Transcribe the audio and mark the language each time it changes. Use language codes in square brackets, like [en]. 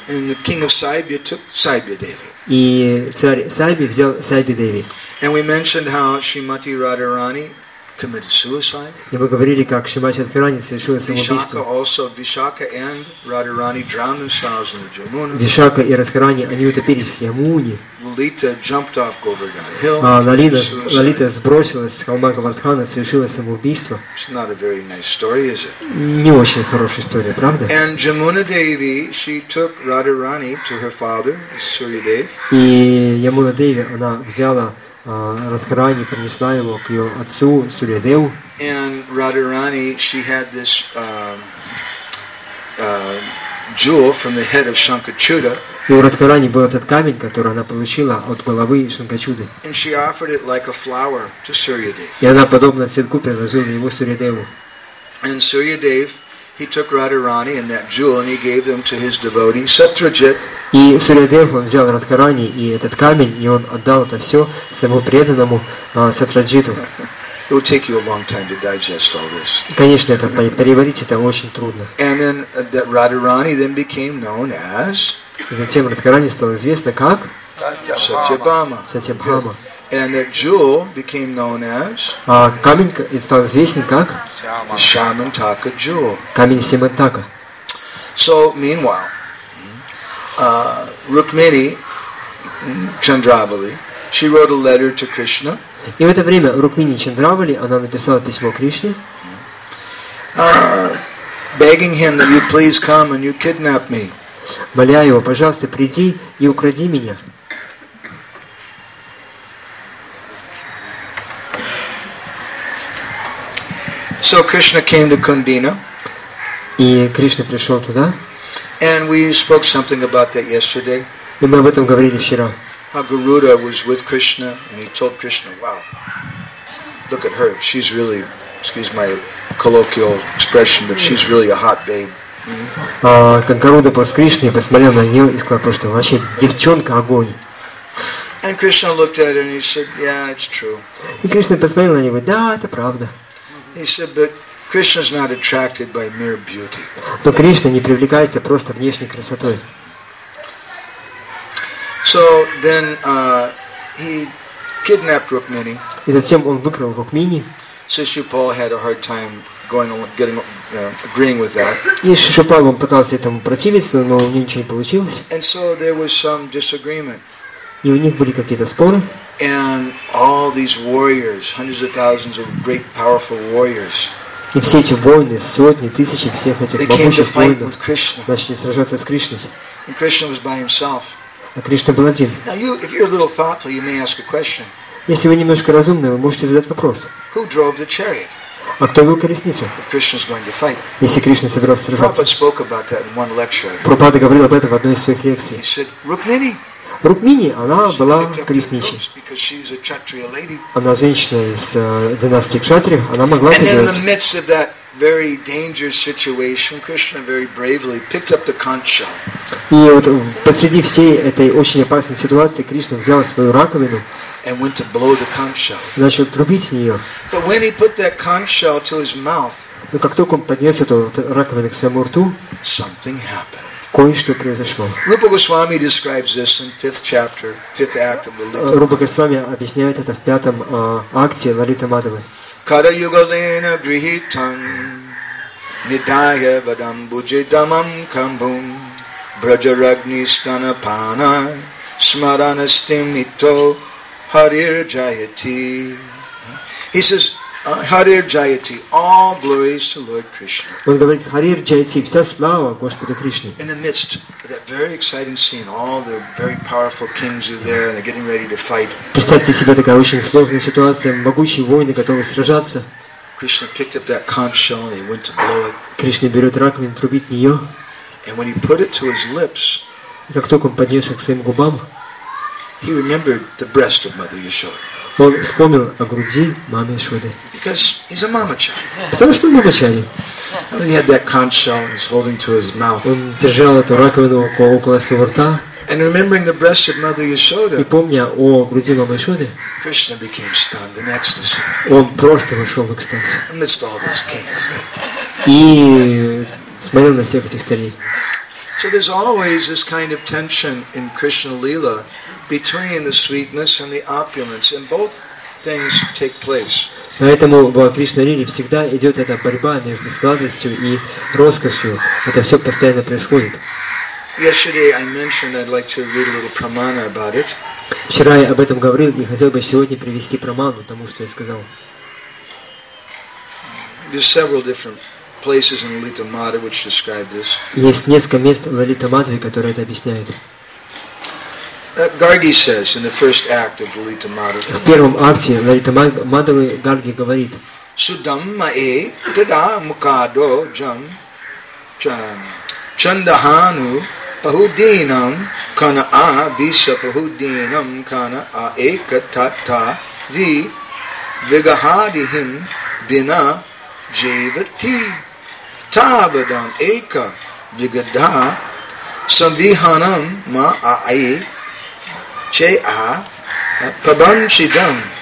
[en] And the king of Saibya took Saibya Devi. [ru] И царь Сайби взял Сайби Деви. [en] And we mentioned how Shrimati Radharani committed suicide. [ru] И мы говорили, как Шримати Радхарани совершила самоубийство. [en] Vishaka also, Vishaka and Radharani drowned themselves in the Jamuna. [ru] Вишака и Радхарани, они утопились в Ямуне. [en] Лалита jumped off Govardhan Hill. [ru] Лалита сбросилась с холма Говардхана, совершила самоубийство. [en] It's not a very nice story, is it? [ru] Не очень хорошая история, правда? [en] And Jamuna Devi, she took Radharani to her father, Surya Dev. [ru] И Ямуна Деви, она взяла Радхарани, принесла его к ее отцу Сурьядеву. [en] And Radharani, she had this jewel from the head of Shankachuda. [ru] И у Радхарани был этот камень, который она получила от головы Шанкачуды. [en] And she offered it like a flower to Suryadev. [ru] И она подобно цветку предложила ему Сурьядеву. [en] And Suryadev, he took Radharani and that jewel and he gave them to his devotee Satrajit. [ru] И Сурьядев взял Радхарани и этот камень, и он отдал это все своему преданному Сатраджиту. [en] It will take you a long time to digest all this. [ru] Конечно, это переварить это очень трудно. [en] And then that Radharani then became known as. [ru] И затем Радхарани стало известно как. Сатьябама. Сатьябама. [en] And that jewel became known as. [ru] А каменка стала известна как. [en] Шамантака jewel. [ru] Камень Симантака. [en] So meanwhile, Rukmini Chandravali, she wrote a letter to Krishna. [ru] И в это время Рукмини Чандравали она написала письмо Кришне, [en] begging him that you please come and you kidnap me. [ru] Моля его, пожалуйста, приди и укради меня. [en] So Krishna came to Kundina. [ru] И Кришна пришел туда. [en] And we spoke something about that yesterday. [ru] И мы об этом говорили вчера. [en] How Garuda was with Krishna, and he told Krishna, "Wow, look at her. She's really, excuse my colloquial expression, but she's really a hot babe." [ru] Как Гаруда был с Кришной, посмотрел на нее и сказал, что вообще девчонка огонь. [en] And Krishna looked at her and he said, "Yeah, it's true." [ru] И Кришна посмотрел на нее и говорит, да, это правда. [en] He said, "But Krishna's not attracted by mere beauty." [ru] Но Кришна не привлекается просто внешней красотой. [en] So then he kidnapped Rukmini. [ru] И затем он выкрал Рукмини. [en] Шишупал had a hard time going along, getting, agreeing with that. [ru] И Шишупал он пытался этому противиться, но у него ничего не получилось. [en] And so there was some disagreement. [ru] И у них были какие-то споры. [en] And all these warriors, hundreds of thousands of great, powerful warriors. [ru] И все эти воины, сотни, тысячи всех этих могучих воинов. Начали сражаться с Кришной. [en] And Krishna was by himself. [ru] А Кришна был один. [en] Now you, if you're a little thoughtful, you may ask a question. [ru] Если вы немножко разумны, вы можете задать вопрос. [en] Who drove the chariot? [ru] А кто вел колесницу? [en] If Krishna's going to fight. [ru] Если Кришна собирался сражаться. [en] Prabhupada spoke about that in one lecture. [ru] Прабхупада говорил об этом в одной из своих лекций. [en] He said, Rukmini. [ru] Рукмини, она была колесницей. [en] Because she's a Kshatriya lady. [ru] Она женщина из династии Кшатри, она могла это сделать. [en] And in the midst of that very dangerous situation, Krishna very bravely picked up the conch shell. [ru] И вот посреди всей этой очень опасной ситуации Кришна взял свою раковину [en] and went to blow the conch shell. [ru] Начал трубить в нее. [en] But when he put that conch shell to his mouth, [ru] но как только он поднес эту раковину к своему рту, [en] something happened. [ru] Кое-что произошло. [en] Rupa Goswami describes this in fifth chapter, fifth act of Lalita Madhava. [ru] Rupa Goswami объясняет это в пятом акте Лалиты Мадхавы. [sa] Kada yugalena grihitam nidaya vadambuje damam kambum brajaragni stanapana smaranastim ito harir jayati. [en] He says, [sa] harir jayati, [en] all glories to Lord Krishna. [ru] Он говорит, [sa] харир джаяти, [ru] вся слава Господу Кришне. [en] In the midst of that very exciting scene, all the very powerful kings are there and they're getting ready to fight. [ru] Представьте себе такая очень сложная ситуация, могучие воины готовы сражаться. [en] Krishna picked up that conch shell and he went to blow it. [ru] Кришна берет раковину, трубит в нее. [en] And when he put it to his lips, [ru] как только он поднес к своим губам, [en] he remembered the breast of Mother Yashoda. [ru] Он вспомнил о груди мамы Шоды. [en] Because he's a mamachari. [ru] Потому что он мамачари. [en] He had that conch shell he's holding to his mouth. [ru] Он держал эту раковину около своего рта. [en] And remembering the breast of Mother Yashoda. [ru] И помня о груди мамы Шоды. [en] Krishna became stunned in ecstasy. [ru] Он просто вошел в экстаз. [en] Amidst all these kings. [ru] И смотрел на всех этих старей. [en] So there's always this kind of tension in Krishna Lila between the sweetness and the opulence, and both things take place. [ru] Поэтому в Кришна Лиле всегда идет эта борьба между сладостью и роскошью. Это все постоянно происходит. [en] Yesterday I mentioned I'd like to read a little pramana about it. [ru] Вчера я об этом говорил и хотел бы сегодня привести праману тому, что я сказал. [en] There's several different places in Lalita Madhava which describe this. [ru] Есть несколько мест в Лалита Мадхаве, которые это объясняют. [en] Gargi says in the first act of Lalita Madhava. [ru] В первом акте Лалита Мадхавы Гарги говорит. [pra] Sudamae tada mukado jam chandahanu pahudinam kana a bisa pahudinam kana a ekatata vi vigahadihin bina javati tabadam eka vigada samvihanam ma a che a pabanchidam